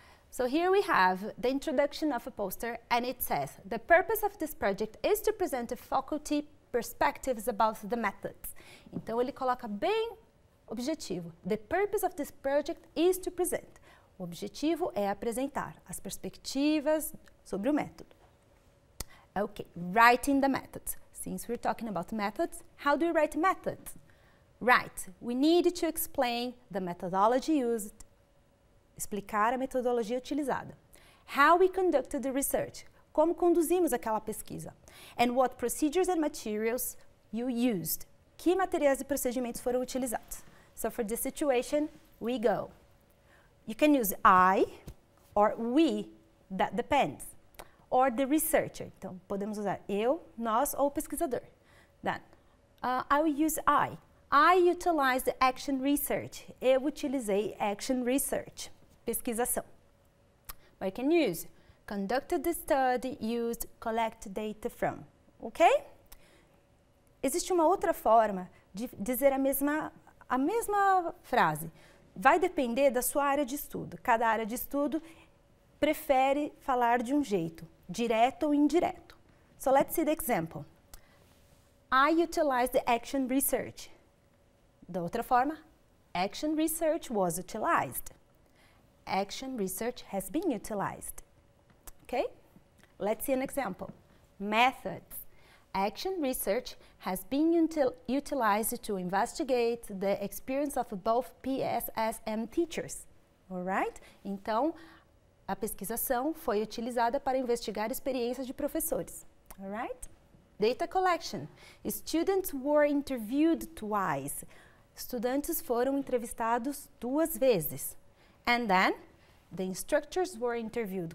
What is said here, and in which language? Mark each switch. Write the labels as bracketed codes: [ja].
[en] So, here we have the introduction of a poster and it says, the purpose of this project is to present a faculty perspectives about the methods. [pt] Então, ele coloca bem objetivo. [en] The purpose of this project is to present. [pt] O objetivo é apresentar as perspectivas sobre o método. [en] Okay, writing the methods. Since we're talking about methods, how do you write methods? Right, we need to explain the methodology used. [pt] Explicar a metodologia utilizada. [en] How we conducted the research. [pt] Como conduzimos aquela pesquisa. [en] And what procedures and materials you used. [pt] Que materiais e procedimentos foram utilizados. [en] So for this situation, we go. You can use I or we, that depends. Or the researcher. [pt] Então, podemos usar eu, nós ou o pesquisador. [en] Then, I will use I. I utilized action research. [pt] Eu utilizei action research. Pesquisação. [en] But you can use conducted the study, used, collect data from. Ok? [pt] Existe uma outra forma de dizer a mesma frase. Vai depender da sua área de estudo. Cada área de estudo prefere falar de um jeito, direto ou indireto. [en] So, let's see the example. I utilized the action research. [pt] Da outra forma, [en] action research was utilized. Action research has been utilized. Okay? Let's see an example. Methods. Action research has been utilized to investigate the experience of both PSSM teachers. Alright? [pt] Então, a pesquisação foi utilizada para investigar experiências de professores. [en] Alright? Data collection. Students were interviewed twice. [pt] Estudantes foram entrevistados duas vezes. [en] And then, the instructors were interviewed.